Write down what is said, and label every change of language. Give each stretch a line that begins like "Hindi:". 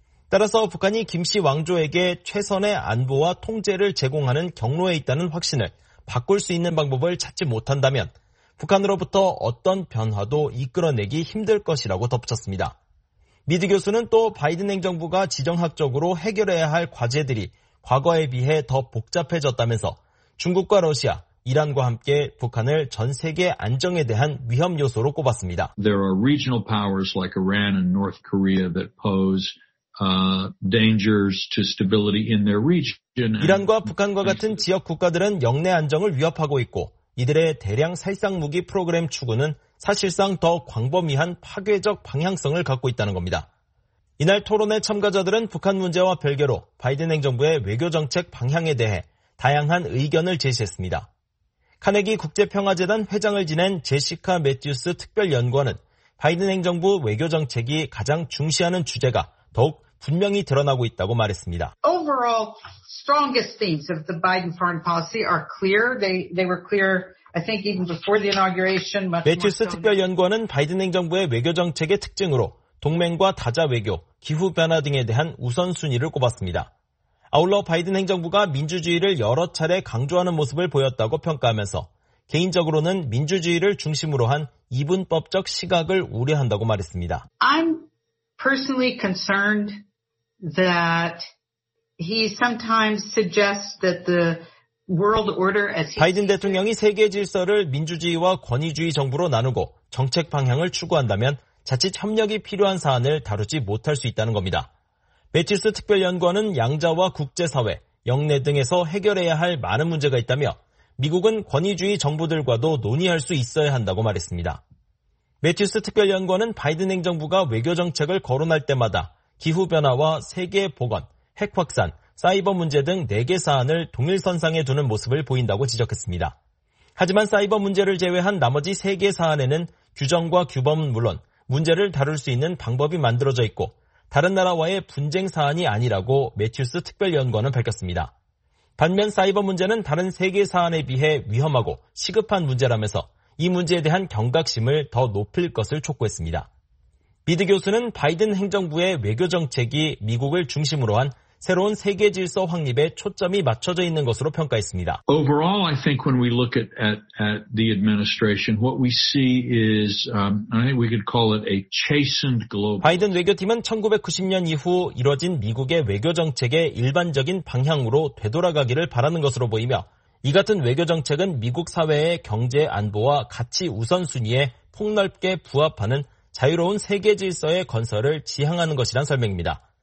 Korean: 따라서 북한이 김씨 왕조에게 최선의 안보와 통제를 제공하는 경로에 있다는 확신을 바꿀 수 있는 방법을 찾지 못한다면 북한으로부터 어떤 변화도 이끌어내기 힘들 것이라고 덧붙였습니다. 미드 교수는 또 바이든 행정부가 지정학적으로 해결해야 할 과제들이 과거에 비해 더 복잡해졌다면서 중국과 러시아, 이란과 함께 북한을 전 세계 안정에 대한 위험 요소로 꼽았습니다.
English: There are regional powers like Iran and North Korea that pose dangers to stability in their region.
Korean: 이란과 북한과 같은 지역 국가들은 영내 안정을 위협하고 있고 이들의 대량 살상 무기 프로그램 추구는 사실상 더 광범위한 파괴적 방향성을 갖고 있다는 겁니다. 이날 토론회 참가자들은 북한 문제와 별개로 바이든 행정부의 외교정책 방향에 대해 다양한 의견을 제시했습니다. 카네기 국제평화재단 회장을 지낸 제시카 매튜스 특별연구원은 바이든 행정부 외교정책이 가장 중시하는 주제가 더욱 분명히 드러나고 있다고 말했습니다.
English: Overall, strongest themes of the Biden foreign policy are clear. They were clear. I think even before the inauguration.
Korean: 매튜스 특별연구원은 바이든 행정부의 외교 정책의 특징으로 동맹과 다자 외교, 기후 변화 등에 대한 우선 순위를 꼽았습니다. 아울러 바이든 행정부가 민주주의를 여러 차례 강조하는 모습을 보였다고 평가하면서 개인적으로는 민주주의를 중심으로 한 이분법적 시각을 우려한다고 말했습니다.
English: I'm personally concerned that he sometimes suggests that the world order as
Korean: 바이든 대통령이 세계 질서를 민주주의와 권위주의 정부로 나누고 정책 방향을 추구한다면 자칫 협력이 필요한 사안을 다루지 못할 수 있다는 겁니다. 매튜스 특별연구원은 양자와 국제사회, 영내 등에서 해결해야 할 많은 문제가 있다며 미국은 권위주의 정부들과도 논의할 수 있어야 한다고 말했습니다. 매튜스 특별연구원은 바이든 행정부가 외교정책을 거론할 때마다 기후변화와 세계보건, 핵확산, 사이버 문제 등 4개 사안을 동일선상에 두는 모습을 보인다고 지적했습니다. 하지만 사이버 문제를 제외한 나머지 3개 사안에는 규정과 규범은 물론 문제를 다룰 수 있는 방법이 만들어져 있고 다른 나라와의 분쟁 사안이 아니라고 매튜스 특별연구원은 밝혔습니다. 반면 사이버 문제는 다른 3개 사안에 비해 위험하고 시급한 문제라면서 이 문제에 대한 경각심을 더 높일 것을 촉구했습니다. 미드 교수는 바이든 행정부의 외교 정책이 미국을 중심으로 한 새로운 세계 질서 확립에 초점이 맞춰져 있는 것으로 평가했습니다.
English: Overall, I think when we look at the administration, what we see is I think we could call it a chastened global.
Korean: 바이든 외교팀은 1990년 이후 이뤄진 미국의 외교 정책의 일반적인 방향으로 되돌아가기를 바라는 것으로 보이며 이 같은 외교 정책은 미국 사회의 경제 안보와 가치 우선순위에 폭넓게 부합하는 자유로운 세계 질서의 건설을 지향하는 것이란 설명입니다.